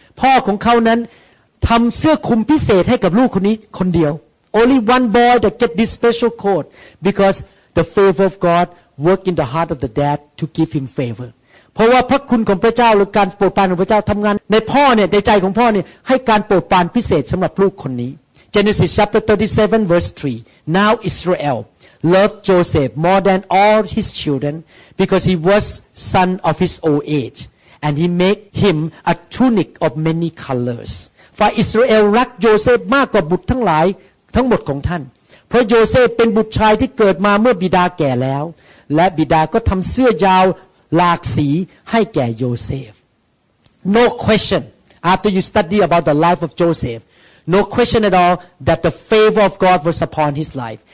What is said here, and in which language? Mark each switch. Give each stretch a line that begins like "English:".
Thai: พ่อของเขานั้นทำเสื้อคลุมพิเศษให้กับลูกคนนี้คนเดียว
English: Only one boy that get this special coat because the favor of God work in the heart of the dad to give him favor.
Thai: เพราะว่าพระคุณของพระเจ้าหรือการโปรดปรานของพระเจ้าทำงานในพ่อเนี่ยในใจของพ่อเนี่ยให้การโปรดปรานพิเศษสำหรับลูกคนนี้
English: Genesis chapter 37 verse 3 Now Israel loved Joseph more than all his children because he was son of his old age. And he made him a tunic of many colors.
Thai: For Israel รักโยเซฟมากกว่าบุตรทั้งหลายทั้งหมดของท่านเพราะโยเซฟเป็นบุตรชายที่เกิดมาเมื่อบิดาแก่แล้วและบิดาก็ทำเสื้อยาวหลากสีให้แก่โยเซฟ
English: No question after you study about the life of Joseph, no question at all that the favor of God was upon his life.